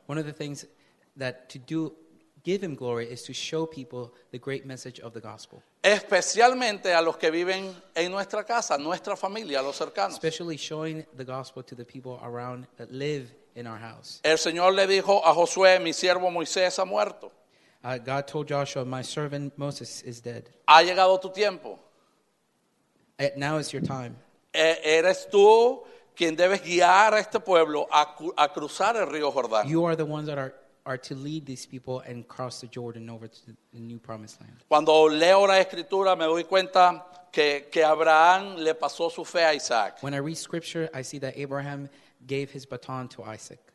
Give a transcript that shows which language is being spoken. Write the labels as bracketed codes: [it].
[en] One of the things that to do, give him glory, is to show people the great message of the gospel. [es] Especialmente a los que viven en nuestra casa, nuestra familia, los cercanos. [en] Especially showing the gospel to the people around that live in our house. [es] El Señor le dijo a Josué, mi siervo Moisés ha muerto. [en] God told Joshua, my servant Moses is dead. [es] Ha llegado tu tiempo. [en] Now is your time. [es] Eres tú quien debes guiar a este pueblo a cruzar el río Jordán. [en] You are the ones that are to lead these people and cross the Jordan over to the new promised land. [es] Cuando leo la escritura me doy cuenta que Abraham le pasó su fe a Isaac. [en] When I read scripture, I see that Abraham gave his baton to Isaac.